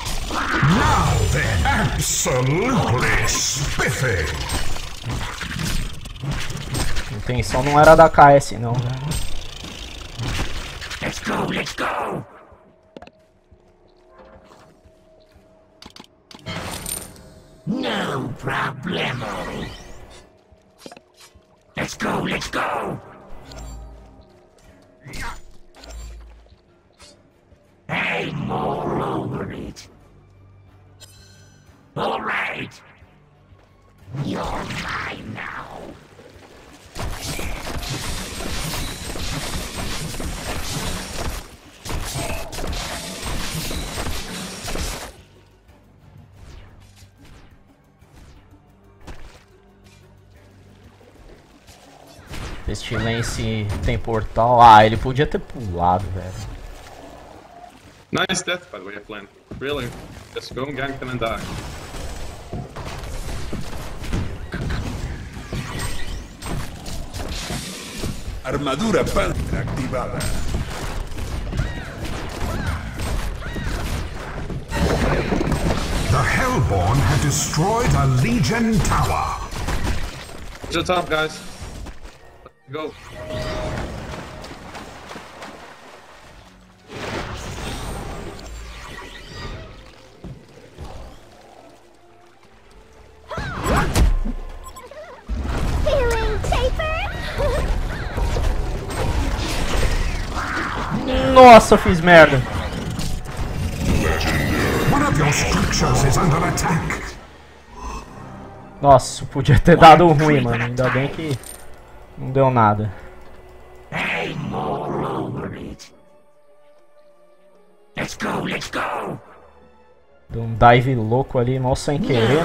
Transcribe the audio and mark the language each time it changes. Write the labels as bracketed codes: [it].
[en] Now then, absolutely spiffy. [pt] Intenção não era da KS, não. [en] Let's go, let's go! No problemo! Let's go, let's go! I'm all over it! Alright! You're mine now! [pt] Pestilence tem portal. Ah, ele podia ter pulado, velho. [en] Nice death, by the way, Flynn. Really? Just go and gank them and die. [es] Armadura Panther activada. [en] The Hellborn had destroyed a Legion Tower. To the top, guys. Go. Feeling safer? [pt] Nossa, eu fiz merda. [en] One of your structures is under attack. [pt] Nossa, podia ter dado ruim, mano. Ainda bem que não deu nada. [en] Let's go, let's go! [pt] Deu um dive louco ali, mal sem querer,